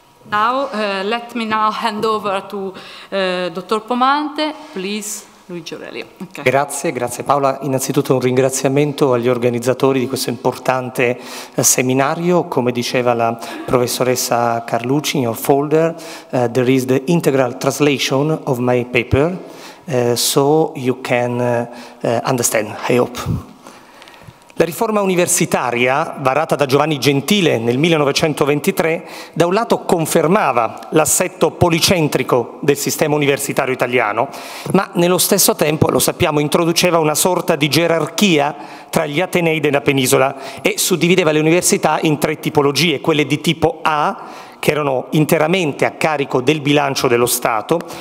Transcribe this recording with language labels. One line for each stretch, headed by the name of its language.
English: Now, let me now hand over to Dr. Pomante, please. Luigi Aurelio.
Italian: Okay. Grazie Paola. Innanzitutto un ringraziamento agli organizzatori di questo importante seminario. Come diceva la professoressa Carlucci,
English: in your folder, there is the integral translation of my paper, so you can understand, I hope.
Italian: La riforma universitaria, varata da Giovanni Gentile nel 1923, da un lato confermava l'assetto policentrico del sistema universitario italiano, ma nello stesso tempo, lo sappiamo, introduceva una sorta di gerarchia tra gli Atenei della penisola e suddivideva le università in tre tipologie, quelle di tipo A, che erano interamente a carico del bilancio dello Stato,